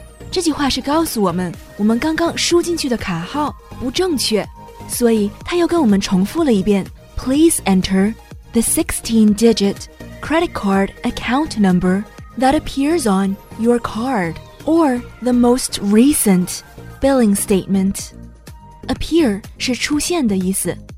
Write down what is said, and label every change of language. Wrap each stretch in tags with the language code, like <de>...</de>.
<zh>这句话是告诉我们，我们刚刚输进去的卡号不正确，所以他又跟我们重复了一遍。</zh> <en>Please enter the 16-digit credit card account number that appears on your card or the most recent billing statement.</en> <zh>Appear 是出现的意思。</zh>